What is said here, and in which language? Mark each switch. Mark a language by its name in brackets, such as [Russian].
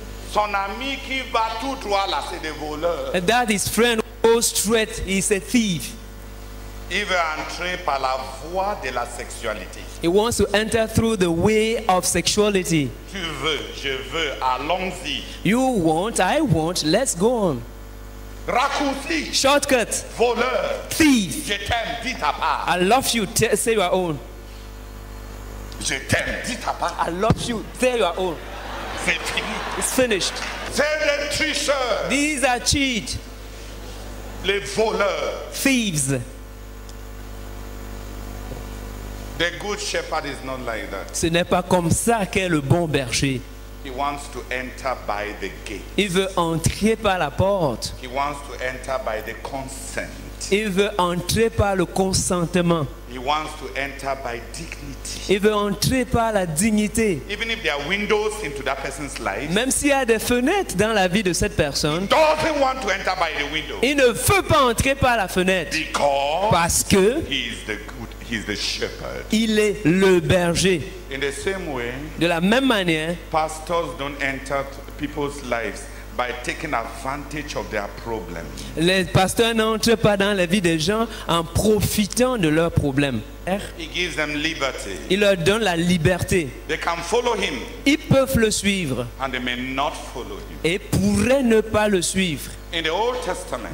[French] Son ami qui va tout droit là, c'est des voleurs. [English] And that his friend goes straight, he's a thief. [French] Il veut entrer par la voie de la sexualité. [English] He wants to enter through the way of sexuality. [French] Tu veux, je veux, allons-y. [English] You want, I want, let's go on. [French] Raccourci. [English] Shortcut. [French] Voleur. [English] Thief. [French] Je t'aime, dis ta part. [English] I love you, say your own. [French] Je t'aime, dis ta part. [English] I love you, say your own. It's finished. [French] C'est les tricheurs. [English] These are cheats. [French] Les voleurs. [English] Thieves. The good shepherd is not like that. [French] Ce n'est pas comme ça qu'est le bon berger. [English] He wants to enter by the gate. [French] Il veut entrer par la porte. [English] He wants to enter by the consent. [French] Il veut entrer par le consentement. [English] He wants to enter by dignity. [French] Il veut entrer par la dignité. [English] Even if there are windows into that person's life, [French] même s'il y a des fenêtres dans la vie de cette personne, [English] he doesn't want to enter by the window. [French] Il ne veut pas entrer par la fenêtre. [English] Because [French] parce que [English] he's the shepherd. [French] Il est le berger. [English] In the same way, [French] de la même manière, [English] pastors don't enter people's lives by taking advantage of their problems. [French] Les pasteurs n'entrent pas dans la vie des gens en profitant de leurs problèmes. [English] He gives them liberty. [French] Il leur donne la liberté. [English] They can follow him. [French] Ils peuvent le suivre. [English] And they may not follow him. [French] Et pourraient ne pas le suivre. [English] In the Old Testament,